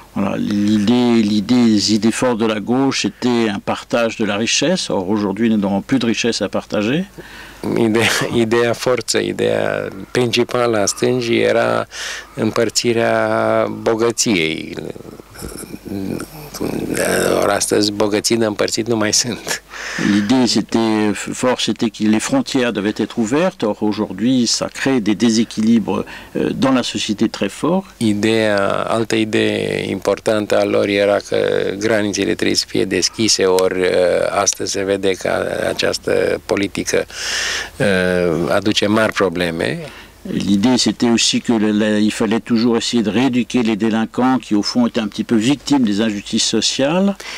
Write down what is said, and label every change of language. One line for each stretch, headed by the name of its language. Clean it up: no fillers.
French: Voilà, les idées fortes de la gauche étaient un partage de la richesse. Or, aujourd'hui, nous n'avons plus de richesse à partager.
Romanian: Ideea forță, ideea principală a stângii era împărțirea bogăției. Or, astăzi, bogății de împărțit nu mai sunt.
French: L'idée forte était que les frontières devaient être ouvertes. Or, aujourd'hui, ça crée des déséquilibres dans la société très fort.
Romanian: Altă idee importantă a lor era că granițele trebuie să fie deschise, ori astăzi se vede că această politică aduce mari probleme.
French: L'idée c'était aussi que il fallait toujours essayer de rééduquer les délinquants qui au fond étaient un petit peu victimes des injustices sociales.